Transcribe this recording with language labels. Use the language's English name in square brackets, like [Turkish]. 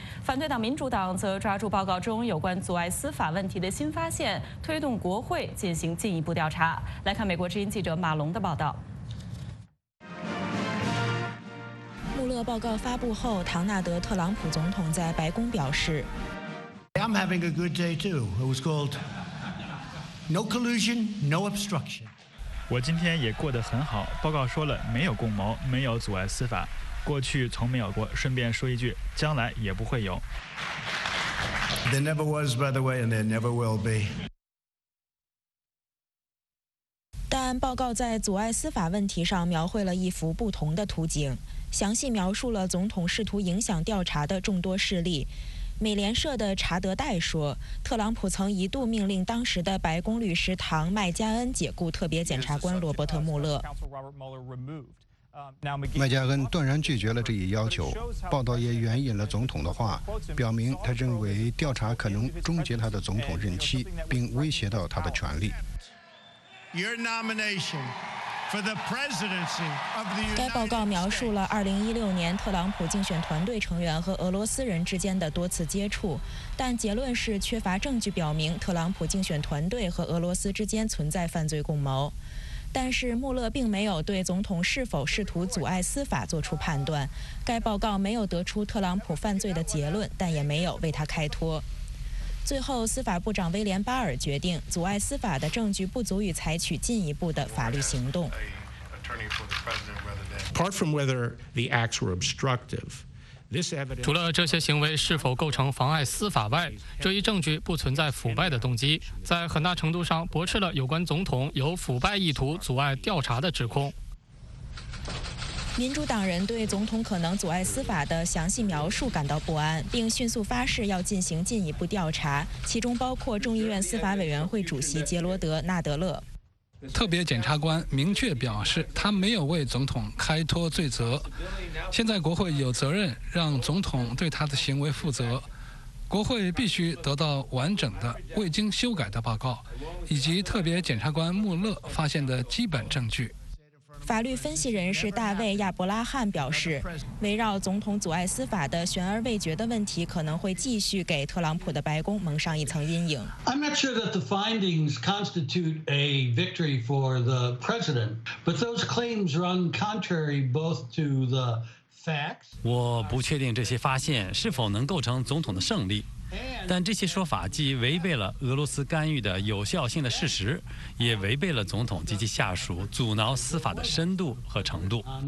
[Chinese] 反对党民主党则抓住报告中有关阻碍司法问题的新发现，推动国会进行进一步调查。来看美国之音记者马龙的报道。穆勒报告发布后，唐纳德·特朗普总统在白宫表示 [English] I'm having a good day too. It was called No collusion, no obstruction. [Chinese] 我今天也过得很好，报告说了没有共谋，没有阻碍司法，过去从没有过，顺便说一句，将来也不会有。 [English] There never was, by the way, and there never will be. [Chinese] 但报告在阻碍司法问题上描绘了一幅不同的图景，详细描述了总统试图影响调查的众多事例。美联社的查德戴说，特朗普曾一度命令当时的白宫律师唐麦加恩解雇特别检察官罗伯特·穆勒。麦加恩断然拒绝了这一要求，报道也援引了总统的话，表明他认为调查可能终结他的总统任期，并威胁到他的权力。 [English] Your nomination for the presidency of the United States. [Chinese] 该报告描述了2016年特朗普竞选团队成员和俄罗斯人之间的多次接触，但结论是缺乏证据表明特朗普竞选团队和俄罗斯之间存在犯罪共谋。但是穆勒并没有对总统是否试图阻碍司法做出判断。该报告没有得出特朗普犯罪的结论，但也没有为他开脱。最后，司法部长威廉·巴尔决定，阻碍司法的证据不足以采取进一步的法律行动。 [English] Apart from whether the acts were obstructive, this evidence [Chinese] 除了这些行为是否构成妨碍司法外，这一证据不存在腐败的动机，在很大程度上驳斥了有关总统有腐败意图阻碍调查的指控。民主党人对总统可能阻碍司法的详细描述感到不安，并迅速发誓要进行进一步调查，其中包括众议院司法委员会主席杰罗德·纳德勒。特别检察官明确表示，他没有为总统开脱罪责，现在国会有责任让总统对他的行为负责。国会必须得到完整的、未经修改的报告，以及特别检察官穆勒发现的基本证据。法律分析人士大卫·亚伯拉罕表示，围绕总统阻碍司法的悬而未决的问题可能会继续给特朗普的白宫蒙上一层阴影。 [English] I'm not sure that the findings constitute a victory for the president, but those claims run contrary both to the facts. [Chinese] 我不确定这些发现是否能构成总统的胜利，但这些说法既违背了俄罗斯干预的有效性的事实，也违背了总统及其下属阻挠司法的深度和程度。